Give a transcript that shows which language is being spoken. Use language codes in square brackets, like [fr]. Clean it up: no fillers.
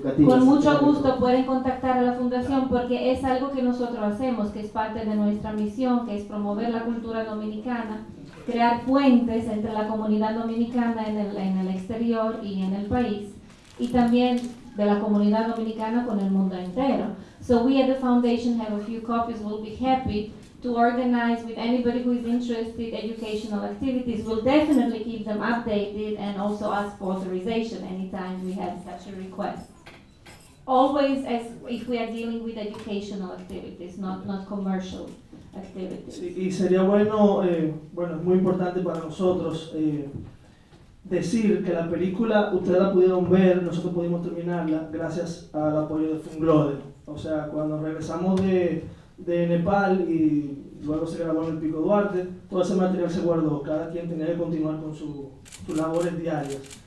[es] Con mucho gusto pueden contactar a la Fundación porque es algo que nosotros hacemos, que es parte de nuestra misión, que es promover la cultura dominicana, crear puentes entre la comunidad dominicana en el exterior y en el país, y también de la comunidad dominicana con el mundo entero. [en] So we at the Foundation have a few copies, we'll be happy to organize with anybody who is interested in educational activities. We'll definitely keep them updated and also ask for authorization anytime we have such a request. Always as if we are dealing with educational activities, not commercial activities. [es] Sí, y sería bueno, bueno, es muy importante para nosotros decir que la película, ustedes la pudieron ver, nosotros pudimos terminarla gracias al apoyo de Funglode. O sea, cuando regresamos de Nepal y luego se grabó en el Pico Duarte, todo ese material se guardó, cada quien tenía que continuar con sus labores diarias.